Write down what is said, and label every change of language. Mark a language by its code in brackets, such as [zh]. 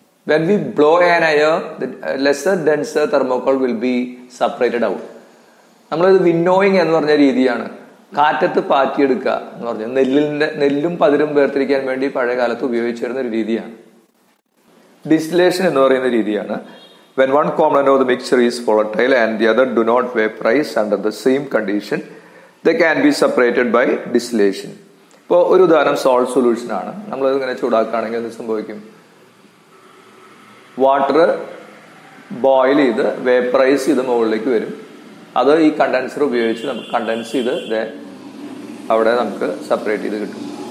[en] When we blow an air, the lesser denser thermocol will be separated out. [ml] നമ്മളിത് വിന്നോയിങ് എന്ന് പറഞ്ഞ രീതിയാണ്. കാറ്റത്ത് പാറ്റിയെടുക്കുക എന്ന് പറഞ്ഞു നെല്ലും പതിരും വേർതിരിക്കാൻ വേണ്ടി പഴയ കാലത്ത് ഉപയോഗിച്ചിരുന്ന ഒരു രീതിയാണ്. ഡിസ്റ്റിലേഷൻ എന്ന് പറയുന്ന രീതിയാണ്. [en] When one component of the mixture is volatile and the other do not vaporize under the same condition, they can be separated by distillation. [ml] ഇപ്പോൾ ഒരു ഉദാഹരണം സോൾട്ട് സൊല്യൂഷൻ ആണ്. നമ്മളത് ഇങ്ങനെ ചൂടാക്കുകയാണെങ്കിൽ എന്ത് സംഭവിക്കും? വാട്ടർ ബോയിൽ ചെയ്ത് വേപ്പറൈസ് ചെയ്ത് മുകളിലേക്ക് വരും. അത് ഈ കണ്ടൻസർ ഉപയോഗിച്ച് നമുക്ക് കണ്ടൻസ് ചെയ്ത് അവിടെ നമുക്ക് സെപ്പറേറ്റ് ചെയ്ത് കിട്ടും.